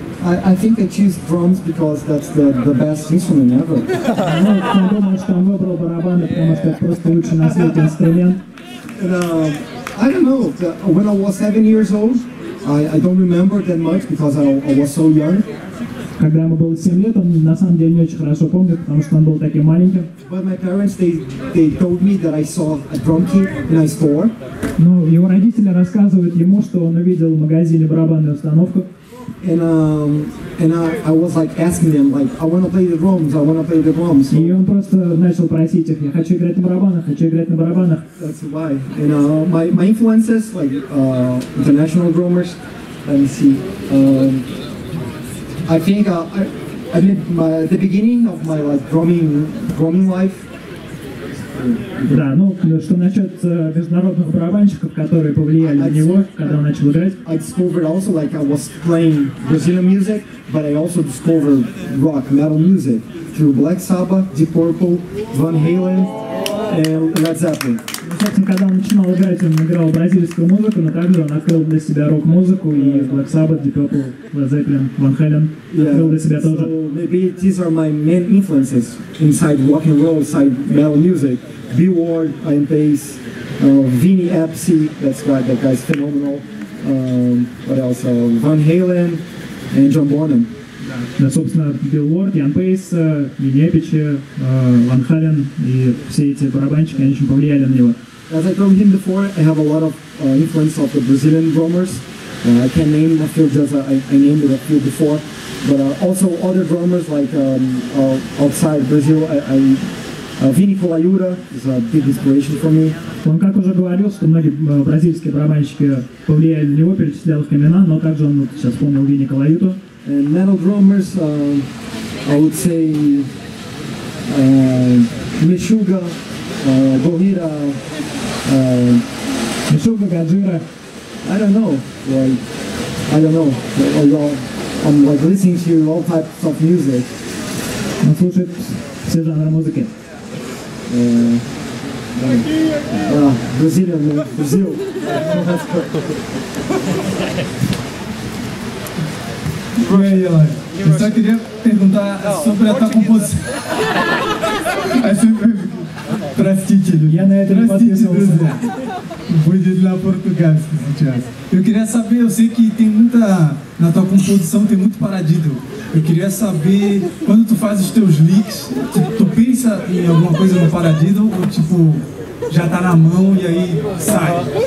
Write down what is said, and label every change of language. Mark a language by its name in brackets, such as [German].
[English] I think I choose drums because that's the best instrument ever. [Russian] Ну, я думаю, что он выбрал барабаны, потому что это просто лучший на свете инструмент. [English] I don't know. When I was 7 years old, I don't remember that much because I was so young. [Russian] Когда ему было 7 лет, он на самом деле не очень хорошо помнит, потому что он был таким маленьким. [English] But my parents they told me that I saw a drum kit in a store. [Russian] Ну, его родители рассказывают ему, что он увидел в магазине барабанную установку. [English] And I was like asking them, like, I want to play the drums. [Russian] И он просто начал просить их, я хочу играть на барабанах, хочу играть на барабанах. [English] That's why. And my influences, like international drummers, let me see. I think I mean the beginning of my like drumming life. [Russian] Да, ну что насчет международных барабанщиков, которые повлияли на него, когда он начал играть. [English] I discovered also like I was playing Brazilian music, but I also discovered rock metal music through Black Sabbath, Deep Purple, Van Halen and Led Zeppelin. [Russian] Собственно, когда он начинал играть, он играл бразильскую музыку, но также он открыл для себя рок-музыку и Black Sabbath, Deep Purple, Led Zeppelin, Van Halen открыл для себя тоже. [English] So maybe these are my main influences inside rock and roll, inside metal music. B-Ward, I'm bass, Vinnie Appice, that's right, that guy's phenomenal. What else? Van Halen and John Bonham. [Russian] Да, собственно, Билл Уорд, Ян Пейс, Винни Эпичи, Ван Хален и все эти барабанщики, они очень повлияли на него. [English] As I told him before, I have a lot of influence of the Brazilian drummers. I can't name a few, just I named it a few before. But also other drummers, like outside Brazil, Винни Колаюра is a big inspiration for me. [Russian] Он как уже говорил, что многие бразильские барабанщики повлияли на него, перечислял их имена, но также он вот сейчас вспомнил Винни Колаюту. [English] And metal drummers, I would say Meshuga, Gojira, Meshuga, Gojira. I don't know. I'm like listening to all types of music. [Russian] Он слушает все жанры музыки. [English] Brazil. [Portuguese] Oi, Eloy. Eu só queria perguntar sobre a tua composição. [Russian] Простите, я на это простите, не подписывался. Будет на португальском сейчас. [Portuguese] Eu queria saber, eu sei que tem muita. Na tua composição tem muito paradido. Eu queria saber quando tu faz os teus licks, tu pensa em alguma coisa no paradido ou tipo, já tá na mão e aí sai?